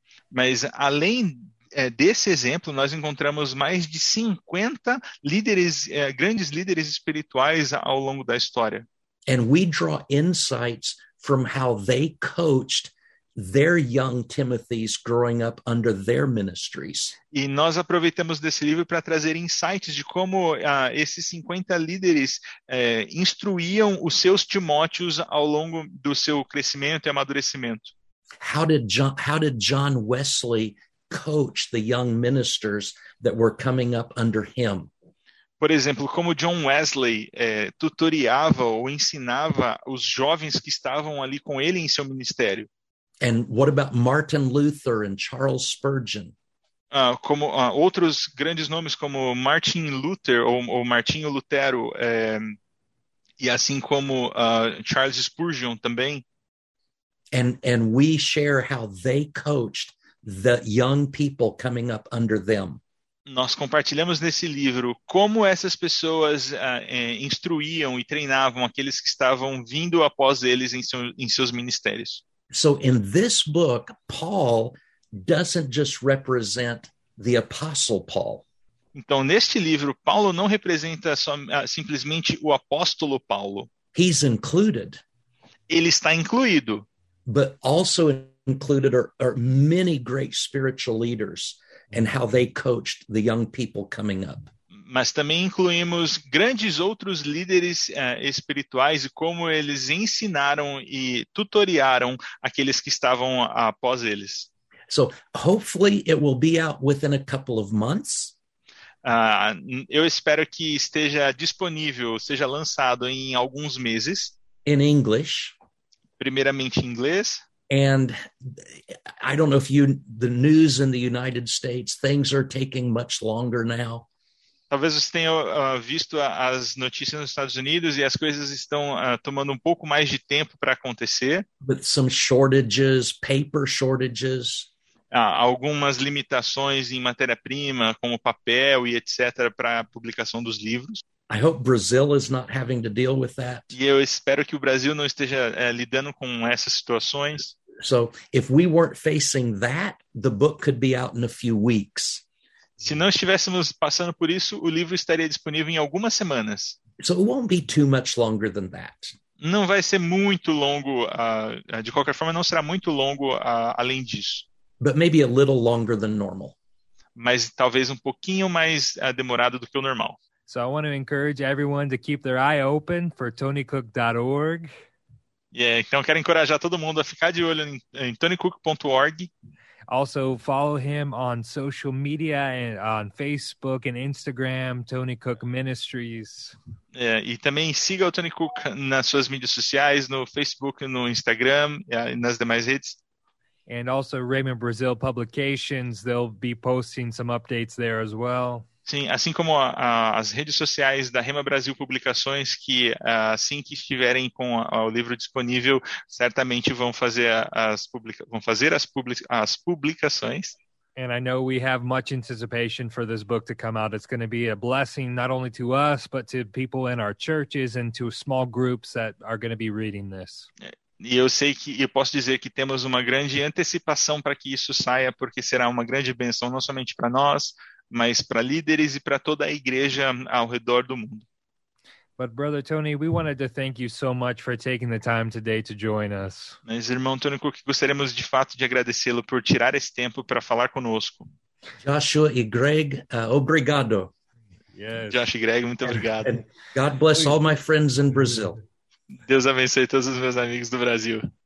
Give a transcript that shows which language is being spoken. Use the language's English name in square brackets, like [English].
[Portuguese] Mas além desse exemplo, nós encontramos mais de 50 líderes, grandes líderes espirituais ao longo da história. [English] And we draw insights from how they coached their young Timothys growing up under their ministries. [Portuguese] E nós aproveitamos desse livro para trazer insights de como esses 50 líderes instruíam os seus Timóteos ao longo do seu crescimento e amadurecimento. [English] How did John Wesley coach the young ministers that were coming up under him? [Portuguese] Por exemplo, como John Wesley tutoriava ou ensinava os jovens que estavam ali com ele em seu ministério. [English] And what about Martin Luther and Charles Spurgeon? [Portuguese] Outros grandes nomes como Martin Luther ou Martinho Lutero, e assim como Charles Spurgeon também. [English] And we share how they coached the young people coming up under them. [Portuguese] Nós compartilhamos nesse livro como essas pessoas instruíam e treinavam aqueles que estavam vindo após eles em seus ministérios. [English] So in this book, Paul doesn't just represent the apostle Paul. [Portuguese] Então neste livro, Paulo não representa simplesmente o apóstolo Paulo. [English] He's included. [Portuguese] Ele está incluído. [English] But also included are many great spiritual leaders. And how they coached the young people coming up. [Portuguese] Mas também incluímos grandes outros líderes espirituais e como eles ensinaram e tutoriaram aqueles que estavam após eles. [English] So, hopefully it will be out within a couple of months. [Portuguese] Eu espero que esteja disponível, seja lançado em alguns meses. [English] In English. [Portuguese] Primeiramente em inglês. [English] And I don't know if you, the news in the United States, things are taking much longer now. [Portuguese] Talvez você tenha visto as notícias nos Estados Unidos e as coisas estão tomando um pouco mais de tempo para acontecer. [English] With some shortages, paper shortages. [Portuguese] Algumas limitações em matéria-prima, como papel e etc. para a publicação dos livros. [English] I hope Brazil is not having to deal with that. [Portuguese] E eu espero que o Brasil não esteja lidando com essas situações. [English] So, if we weren't facing that, the book could be out in a few weeks. [Portuguese] Se não estivéssemos passando por isso, o livro estaria disponível em algumas semanas. [English] So, it won't be too much longer than that. [Portuguese] Não vai ser muito longo, de qualquer forma, não será muito longo além disso. [English] But maybe a little longer than normal. [Portuguese] Mas talvez um pouquinho mais demorado do que o normal. [English] So I want to encourage everyone to keep their eye open for tonycook.org. [Portuguese] Yeah, então quero encorajar todo mundo a ficar de olho em tonycook.org. [English] Also follow him on social media and on Facebook and Instagram, Tony Cook Ministries. [Portuguese] E também siga o Tony Cook nas suas mídias sociais, no Facebook, no Instagram e nas demais redes. [English] And also Raymond Brazil Publications, they'll be posting some updates there as well. [Portuguese] Sim, assim como as redes sociais da Rema Brasil Publicações, que assim que estiverem com o livro disponível, certamente vão fazer as publicações. [English] And I know we have much anticipation for this book to come out. It's going to be a blessing not only to us, but to people in our churches and to small groups that are going to be reading this. [Portuguese] E eu posso dizer que temos uma grande antecipação para que isso saia, porque será uma grande bênção não somente para nós, mas para líderes e para toda a igreja ao redor do mundo. [English] But Brother Tony, we wanted to thank you so much for taking the time today to join us. [Portuguese] Mas irmão Tony, gostaríamos de fato de agradecê-lo por tirar esse tempo para falar conosco. Joshua e Greg, obrigado. Yes. Josh e Greg, muito obrigado. And [English] God bless all my friends in Brazil. [Portuguese] Deus abençoe todos os meus amigos do Brasil.